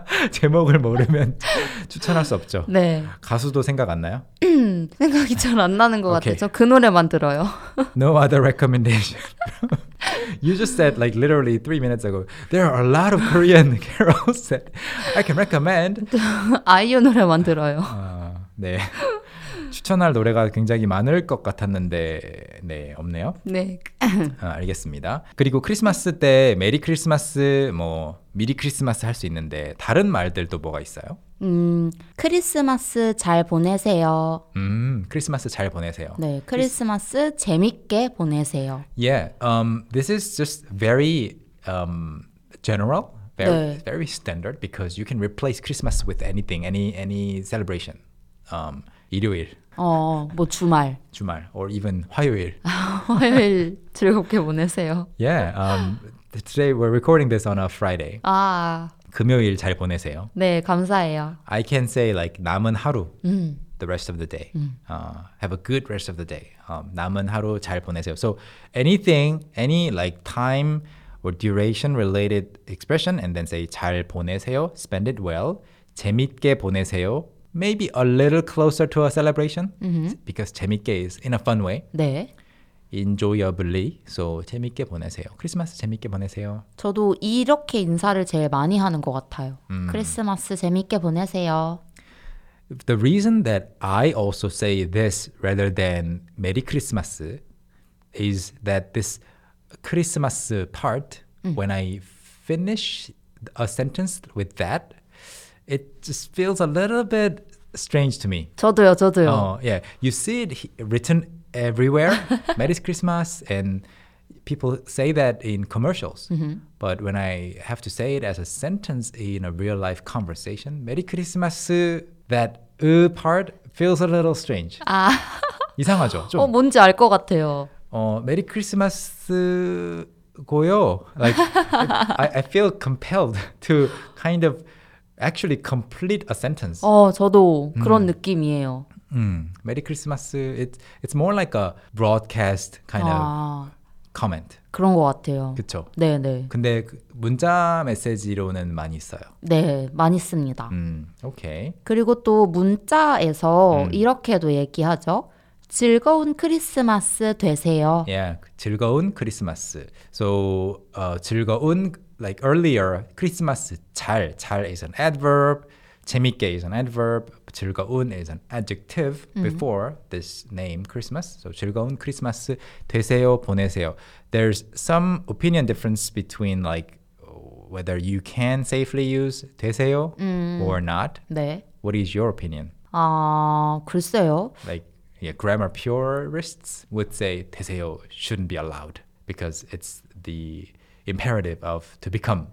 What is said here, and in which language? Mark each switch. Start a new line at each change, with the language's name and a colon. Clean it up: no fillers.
Korean: 제목을 모르면 추천할 수 없죠. 네. 가수도 생각 안 나요? 생각이 잘 안 나는 것 okay. 같아서 그 노래만 들어요.
English: No other recommendation. You just said like literally 3 minutes ago, there are a lot of Korean carols that I can recommend.
Korean: IU 노래만 들어요. 네. 추천할 노래가 굉장히 많을 것 같았는데 네, 없네요. 네. 알겠습니다. 그리고 크리스마스 때 메리 크리스마스, 뭐 미리 크리스마스 할 수 있는데 다른 말들도 뭐가 있어요? 크리스마스 잘 보내세요. 크리스마스 잘 보내세요. 네, 크리스마스 재밌게 보내세요.
English: Yeah, this is just very general, very standard because you can replace Christmas with anything, any celebration.
Korean: 일요일. 뭐 주말.
English: 주말. Or even 화요일.
Korean: 화요일 즐겁게 보내세요.
English: Yeah. Today we're recording this on a Friday.
Korean: 아. 금요일 잘 보내세요. 네, 감사해요.
English: I can say like
Korean: 남은 하루.
English: The rest of the day. Have a good rest of the day.
Korean: 남은 하루 잘 보내세요.
English: So anything, any like time or duration related expression and then say
Korean: 잘 보내세요.
English: Spend it well.
Korean: 재밌게 보내세요.
English: Maybe a little closer to a celebration because 재밌게 is in a fun way.
Korean: 네.
English: Enjoyably. So
Korean: 재밌게 보내세요. 크리스마스 재밌게 보내세요. 저도 이렇게 인사를 제일 많이 하는 것 같아요. 크리스마스 재밌게 보내세요.
English: The reason that I also say this rather than 메리 크리스마스 is that this 크리스마스 part, when I finish a sentence with that, it just feels a little bit strange to me.
Korean: 저도요, 저도요.
English: Yeah, you see it written everywhere. Merry Christmas, and people say that in commercials. But when I have to say it as a sentence in a real life conversation, Merry Christmas, that part feels a little strange.
Korean: 아, 이상하죠? 좀. 뭔지 알 것 같아요.
English: Merry Christmas. 고요. Like I feel compelled to kind of. Actually, complete a sentence.
Korean: 저도 그런 느낌이에요.
English: Merry Christmas. It's more like a broadcast kind of comment.
Korean: 그런 것 같아요. 그쵸? 네네. 근데 문자 메시지로는 많이 써요. 네, 많이 씁니다.
English: Okay.
Korean: 그리고 또 문자에서 이렇게도 얘기하죠. 즐거운 크리스마스 되세요.
English: Yeah,
Korean: 즐거운 크리스마스.
English: So, 즐거운, like earlier, 크리스마스, 잘, 잘 is an adverb, 재밌게 is an adverb, 즐거운 is an adjective before this name, Christmas. So,
Korean: 즐거운 크리스마스 되세요, 보내세요.
English: There's some opinion difference between, like, whether you can safely use 되세요 or not.
Korean: 네.
English: What is your opinion?
Korean: 아, 글쎄요.
English: Like, yeah, grammar purists would say 되세요 shouldn't be allowed because it's the imperative of to become.